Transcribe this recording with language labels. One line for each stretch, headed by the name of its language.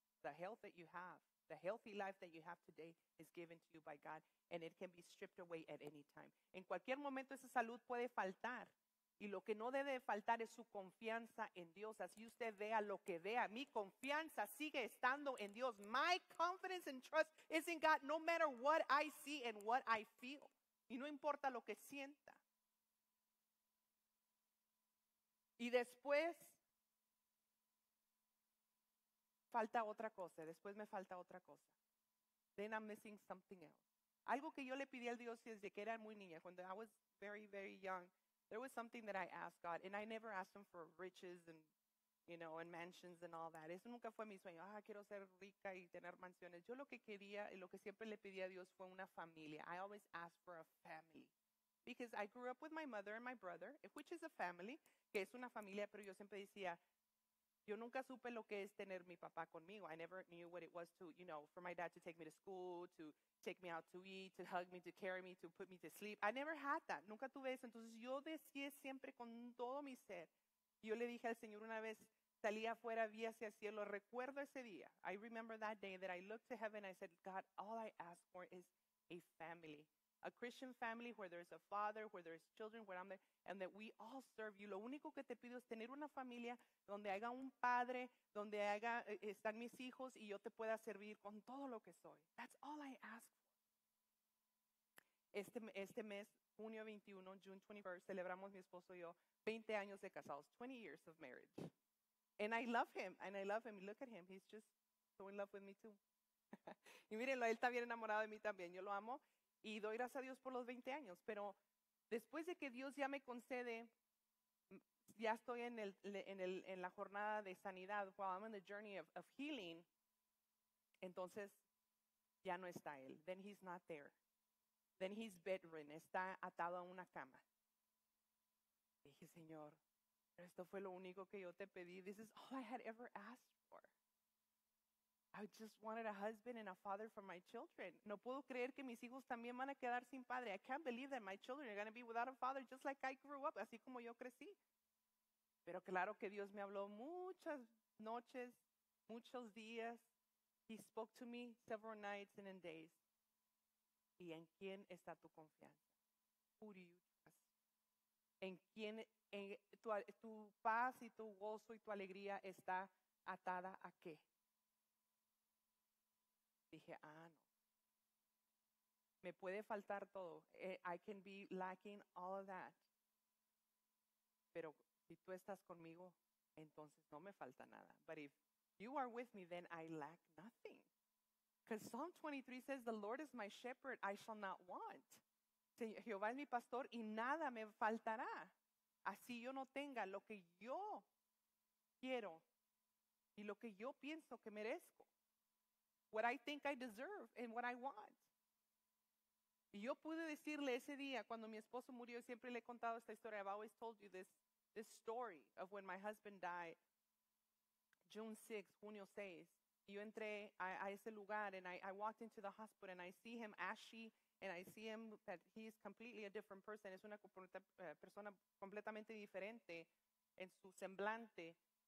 English: The health that you have, the healthy life that you have today is given to you by God, and it can be stripped away at any time.
Spanish: En cualquier momento esa salud puede faltar. Y lo que no debe faltar es su confianza en Dios. Así usted vea lo que vea. Mi confianza sigue estando en Dios.
English: My confidence and trust is in God no matter what I see and what I feel.
Spanish: Y no importa lo que sienta. Y después, falta otra cosa. Después me falta otra cosa.
English: Then I'm missing something else.
Spanish: Algo que yo le pedí al Dios desde que era muy niña.
English: When I was very, very young. There was something that I asked God, and I never asked him for riches and, you know, and mansions and all that.
Spanish: Eso nunca fue mi sueño. Ah, quiero ser rica y tener mansiones. Yo lo que quería y lo que siempre le pedí a Dios fue una familia.
English: I always asked for a family. Because I grew up with my mother and my brother, which is a family,
Spanish: que es una familia, pero yo siempre decía, yo nunca supe lo que es tener mi papá conmigo.
English: I never knew what it was to, you know, for my dad to take me to school, to take me out to eat, to hug me, to carry me, to put me to sleep. I never had that.
Spanish: Nunca tuve eso. Entonces yo decía siempre con todo mi ser. Yo le dije al Señor una vez, salí afuera, vi hacia el cielo. Recuerdo ese día.
English: I remember that day that I looked to heaven. I said, God, all I ask for is a family. A Christian family where there is a father, where there is children, where I'm there, and that we all serve you.
Spanish: Lo único que te pido es tener una familia donde haya un padre, donde haya, están mis hijos, y yo te pueda servir con todo lo que soy.
English: That's all I ask for.
Spanish: Este mes, junio 21,
English: June 21st,
Spanish: celebramos mi esposo y yo 20 años de casados,
English: 20 years of marriage. And I love him. Look at him. He's just so in love with me too.
Spanish: Y mírenlo, él está bien enamorado de mí también. Yo lo amo. Y doy gracias a Dios por los 20 años. Pero después de que Dios ya me concede, ya estoy en la jornada de sanidad.
English: While I'm on the journey of healing,
Spanish: entonces ya no está él.
English: Then he's not there. Then he's bedridden.
Spanish: Está atado a una cama. Y dije, Señor, esto fue lo único que yo te pedí.
English: This is all I had ever asked for. I just wanted a husband and a father for my children.
Spanish: No puedo creer que mis hijos también van a quedar sin padre.
English: I can't believe that my children are going to be without a father just like I grew up,
Spanish: así como yo crecí. Pero claro que Dios me habló muchas noches, muchos días.
English: He spoke to me several nights and in days.
Spanish: ¿Y en quién está tu confianza?
English: Who do you trust?
Spanish: ¿En quién tu paz y tu gozo y tu alegría está atada a qué? Dije, ah, no. Me puede faltar todo.
English: I can be lacking all of that.
Spanish: Pero Si tú estás conmigo, entonces no me falta nada.
English: But if you are with me, then I lack nothing. Because Psalm 23 says, the Lord is my shepherd, I shall not want.
Spanish: Jehová es mi pastor y nada me faltará. Así yo no tenga lo que yo quiero y lo que yo pienso que merezco.
English: What I think I deserve and what I want.
Spanish: Y yo pude decirle ese día cuando mi esposo murió, siempre le he contado esta historia.
English: I've always told you this story of when my husband died, June 6, junio 6.
Spanish: Yo entré a ese lugar
English: and I walked into the hospital and I see him ashy and I see him that he is completely a different person.
Spanish: Es una persona completamente diferente en su semblante.